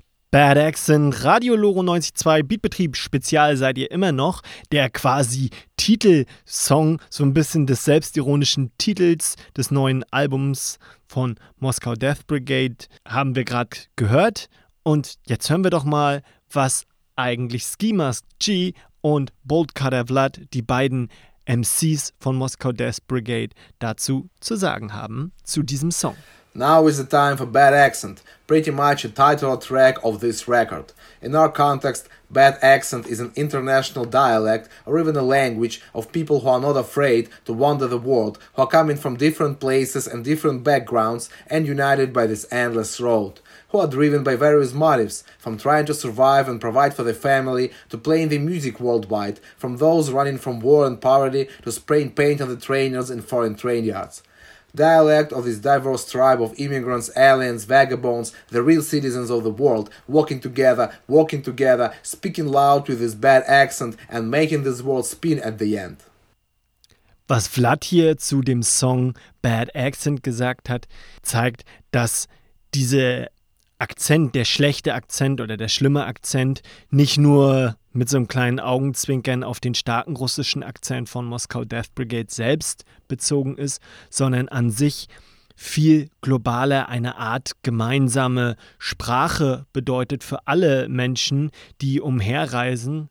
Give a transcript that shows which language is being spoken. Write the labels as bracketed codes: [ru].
[de] Bad Accent, Radio Loro 92, Beatbetrieb Spezial seid ihr immer noch, der quasi Titelsong, so ein bisschen des selbstironischen Titels des neuen Albums von Moscow Death Brigade, haben wir gerade gehört. Und jetzt hören wir doch mal, was eigentlich Ski Mask G und Bolt Cutter Vlad, die beiden MCs von Moscow Death Brigade, dazu zu sagen haben zu diesem Song. [en] Now is the time for Bad Accent, pretty much a title track of this record. In our context, Bad Accent is an international dialect or even a language of people who are not afraid to wander the world, who are coming from different places and different backgrounds and united by this endless road, who are driven by various motives, from trying to survive and provide for their family to playing the music worldwide, from those running from war and poverty to spraying paint on the trainers in foreign train yards. Dialect of this diverse tribe of immigrants, aliens, vagabonds, the real citizens of the world, walking together, speaking loud with this bad accent and making this world spin at the end. [de] Was Vlad hier zu dem Song Bad Accent gesagt hat, zeigt, dass diese Akzent, der schlechte Akzent oder der schlimme Akzent, nicht nur mit so einem kleinen Augenzwinkern auf den starken russischen Akzent von Moscow Death Brigade selbst bezogen ist, sondern an sich viel globaler eine Art gemeinsame Sprache bedeutet für alle Menschen, die umherreisen.